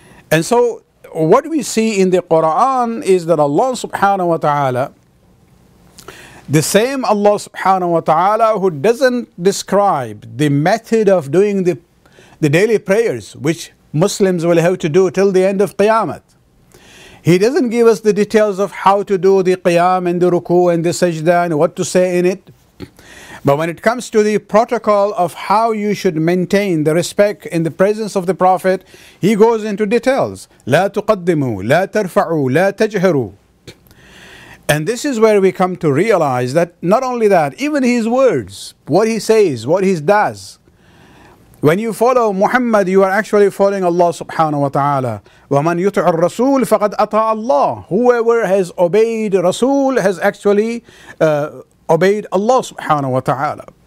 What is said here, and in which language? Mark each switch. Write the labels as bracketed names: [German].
[English] And so what we see in the Quran is that Allah subhanahu wa ta'ala, the same Allah subhanahu wa ta'ala who doesn't describe the method of doing the daily prayers, which Muslims will have to do till the end of Qiyamah, he doesn't give us the details of how to do the qiyam and the ruku and the sajda and what to say in it. But when it comes to the protocol of how you should maintain the respect in the presence of the Prophet, he goes into details. [Arabic] لا تقدموا, لا ترفعوا, لا تجهروا. [English] And this is where we come to realize that not only that, even his words, what he says, what he does. When you follow Muhammad, you are actually following Allah subhanahu wa ta'ala. [Arabic] وَمَنْ يُطِعُ الرَّسُولِ فَقَدْ أَطَاعَ اللَّهِ. [English] Whoever has obeyed Rasul has actually obeyed Allah subhanahu wa ta'ala.